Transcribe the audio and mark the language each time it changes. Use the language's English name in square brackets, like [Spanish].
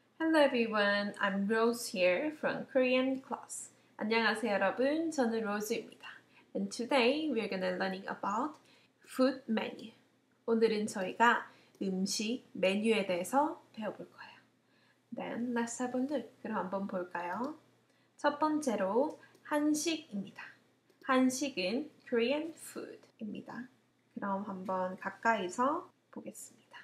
[English] Hello everyone, I'm Rose here from Korean Class. [Korean] 안녕하세요 여러분, 저는 로즈입니다. [English] And today we're going to learn about food menu. [Korean] 오늘은 저희가 음식 메뉴에 대해서 배워볼 거예요. [English] Then let's have a look. [Korean] 그럼 한번 볼까요? 첫 번째로 한식입니다. 한식은 Korean food입니다. 그럼 한번 가까이서 보겠습니다.